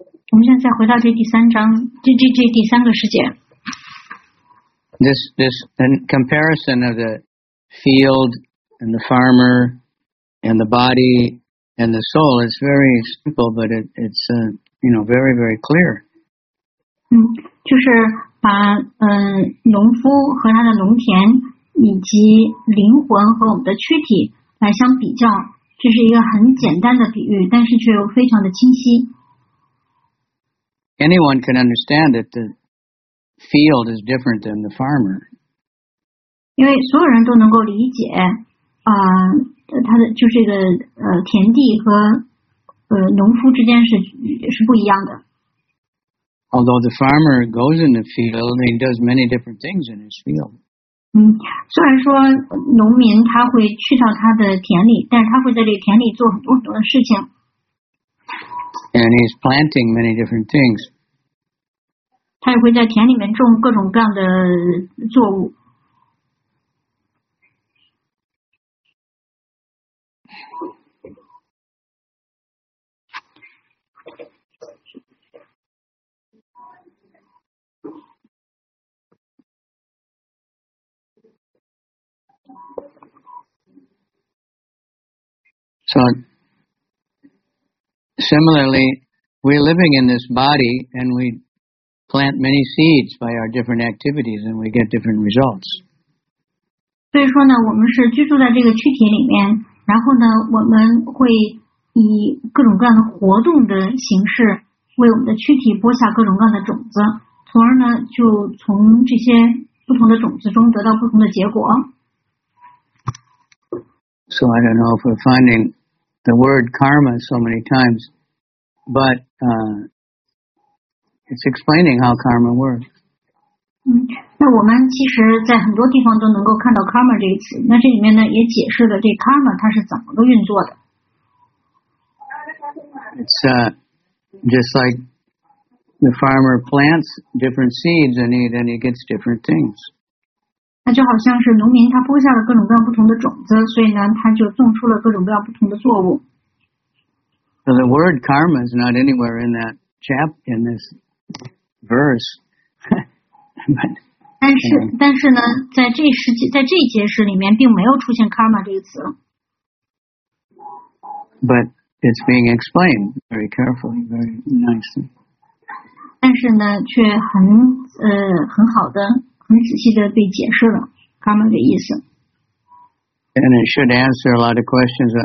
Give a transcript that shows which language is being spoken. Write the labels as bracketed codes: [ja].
[zh] 我们现在再回到这第三章，这第三个世界。 [en] This comparison of the field and the farmer and the body and the soul is very simple, but it's very, very clear. [zh] 就是。把农夫和他的农田以及灵魂和我们的躯体来相比较，这是一个很简单的比喻，但是却又非常的清晰。 [en] Anyone can understand that the field is different than the farmer. [zh] 因为所有人都能够理解，他的就是这个田地和农夫之间是不一样的。 [en] Although the farmer goes in the field and does many different things in his field. [zh] 虽然说农民他会去到他的田里，但是他会在这个田里做很多很多的事情。 [en] And he's planting many different things. [zh] 他也会在田里面种各种各样的作物。 [en] So, similarly, we're living in this body and we plant many seeds by our different activities and we get different results. [zh] 所以说呢，我们是居住在这个躯体里面，然后呢，我们会以各种各样的活动的形式为我们的躯体播下各种各样的种子，从而呢，就从这些不同的种子中得到不同的结果。 [en] So I don't know if we're finding the word karma so many times, but it's explaining how karma works. [zh] 那我们其实在很多地方都能够看到 karma 这个词，那这里面呢也解释了这 karma 它是怎么个运作的。 [en] It's just like the farmer plants different seeds and he gets different things. [zh] 那就好像是农民他播下了各种各样不同的种子，所以呢他就种出了各种各样不同的作物。 [en] So the word karma is not anywhere in that chapter, in this verse. [zh] 但是呢在这十节在这一节诗里面并没有出现 karma 这个词。 [en] But it's being explained very carefully, very nicely. [zh] 但是呢却很好的。很仔细地被解释了 karma 的意思。 [en] And it should answer a lot of questions.